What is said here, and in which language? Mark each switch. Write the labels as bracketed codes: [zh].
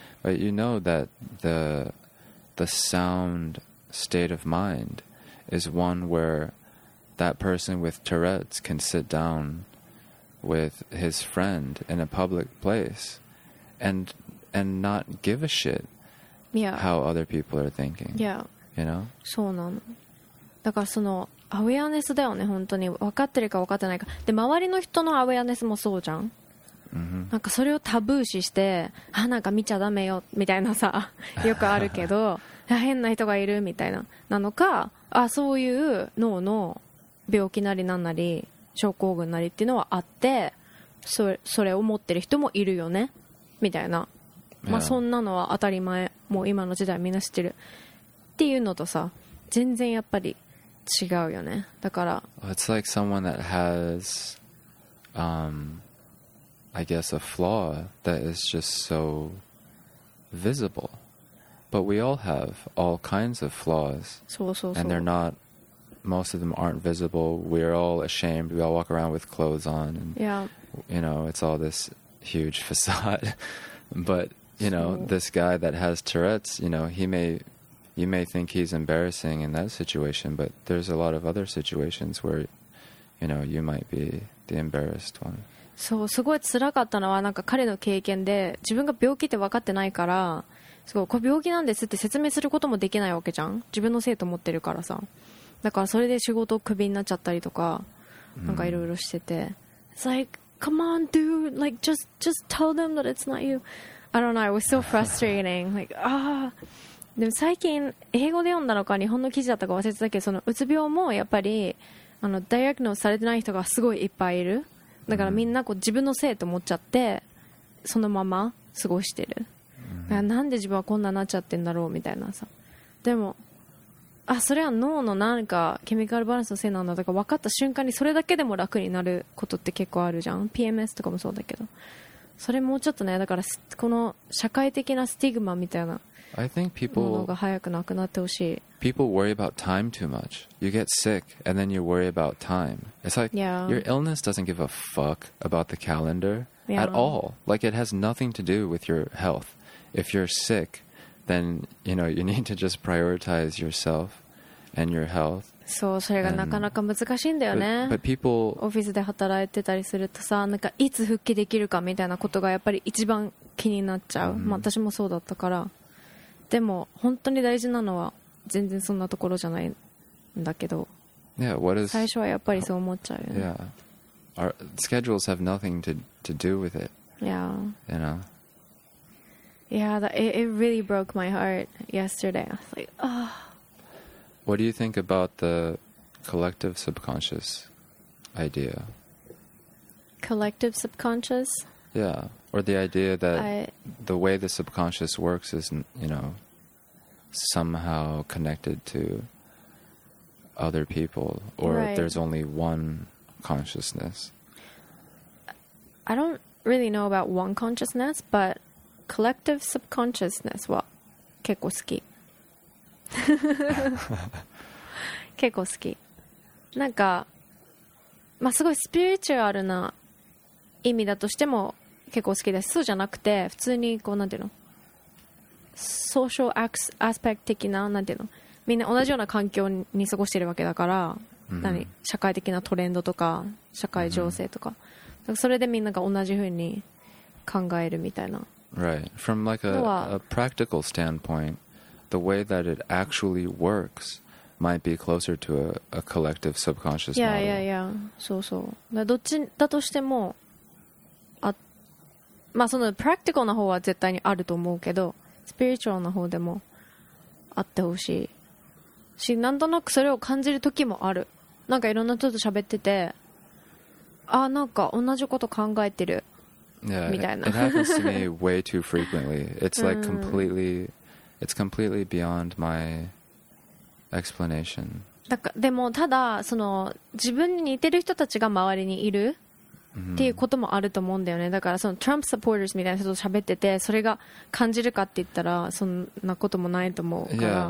[en] But you know that the sound state of mind is one where that person with Tourette's can sit down with his friend in a public place and not give a shit how other people are thinking. Yeah. You know? [ja] そうなの。だからそのアウェアネスだよね、本当に分かってるか分かってないか。で、周りの人のアウェアネスもそうじゃん。 Mm-hmm. なんかそれをタブー視して、あ、なんか見ちゃダメよ、みたいなさ、よくあるけど、変な人がいる、みたいな。なのか、あ、そういう脳の病気なりなんなり、症候群なりっていうのはあって、それを持ってる人もいるよね、みたいな。 [en] Yeah. [ja] まあそんなのは当たり前。もう今の時代みんな知ってる。っていうのとさ、全然やっぱり違うよね。だから。 [en] It's like someone that has, I guess, a flaw that is just so visible. But we all have all kinds of flaws. So. And they're not, most of them aren't visible. We're all ashamed. We all walk around with clothes on. And, yeah. You know, it's all this huge facade. But, you know, this guy that has Tourette's, you know, you may think he's embarrassing in that situation, but there's a lot of other situations where, you know, you might be the embarrassed one. [ja] そう、すごい辛かったのはなんか彼の経験で自分が病気って分かってないから、すごいこれ病気なんですって説明することもできないわけじゃん、自分のせいと思ってるからさ。だからそれで仕事をクビになっちゃったりとか、なんかいろいろしてて、 [en] It's like, come on, dude, like just tell them that it's not you. I don't know, it was so frustrating. Like, ah. [ja] でも最近英語で読んだのか日本の記事だったか忘れてたけど、そのうつ病もやっぱりあのダイアグノスされてない人がすごいいっぱいいる。だからみんなこう自分のせいと思っちゃってそのまま過ごしてる。だからなんで自分はこんなになっちゃってんだろうみたいなさ。でも、あ、それは脳のなんかケミカルバランスのせいなんだとか分かった瞬間にそれだけでも楽になることって結構あるじゃん。 PMS とかもそうだけど、それもうちょっとね、だからこの社会的なスティグマみたいな、 [en] I think people worry about time too much. You get sick and then you worry about time. It's like your illness doesn't give a fuck about the calendar at all. Like it has nothing to do with your health. If you're sick, then you know you need to just prioritize yourself and your health. [ja] そう、それがなかなか難しいんだよね。 [en] But people, [ja] オフィスで働いてたりするとさ、なんかいつ復帰できるかみたいなことがやっぱり一番気になっちゃう。まあ私もそうだったから。でも本当に大事なのは全然そんなところじゃないんだけど、最初はやっぱりそう思っちゃうよね。 [en] Yeah. Our schedules have nothing to do with it. Yeah. You know? Yeah, it really broke my heart yesterday. I was like, oh. What do you think about the collective subconscious idea? Collective subconscious? Yeah. Or the idea that the way the subconscious works isn't, you know, somehow connected to other people, or there's only one consciousness. I don't really know about one consciousness, but collective subconsciousness [ja] は結構好き。結構好き。なんか、まあすごいスピリチュアルな意味だとしても、結構好きです。そうじゃなくて普通にこうなんていうの、ソーシャルアスペクト的な、なんていうの、みんな同じような環境に過ごしてるわけだから、 mm-hmm. 何社会的なトレンドとか社会情勢とか、mm-hmm. それでみんなが同じふうに考えるみたいな。 [en] Right. From like a practical standpoint, the way that it actually works might be closer to a collective subconscious model. Yeah. [ja] そうそう、だどっちだとしてもまあそのプラクティカルな方は絶対にあると思うけど、スピリチュアルな方でもあってほしいし、なんとなくそれを感じる時もある。なんかいろんな人と喋ってて、あ、なんか同じこと考えてる、 [en] yeah, [ja] みたいな。 [en] It happens to me way too frequently. It's like completely it's completely beyond my explanation. [ja] だからでもただその自分に似てる人たちが周りにいるっていうこともあると思うんだよね。だからそのトランプサポーターズみたいな人と喋ってて、それが感じるかって言ったらそんなこともないと思うから。